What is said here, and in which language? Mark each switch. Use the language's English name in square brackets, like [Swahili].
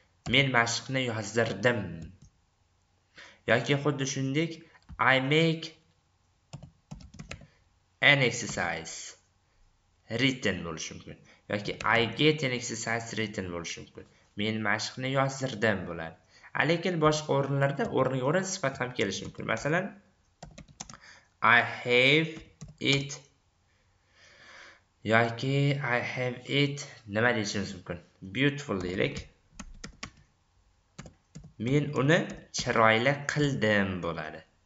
[Uzbek] Men mashqni yozdirdim. Yoki xuddi shundek, [English] I make an exercise written [Uzbek] bo'lishi mumkin. Yoki [English] I get an exercise written [Uzbek] bo'lishi mumkin. Men mashqni yozdirdim bo'ladi. Lekin boshqa o'rinlarda o'rniga o'rin sifat ham kelishi mumkin. Masalan, [English] I have it [Uzbek] yoki I have it nima deyishimiz mumkin? Beautiful deylik. Men uni chiroyli qildim bo'ladi.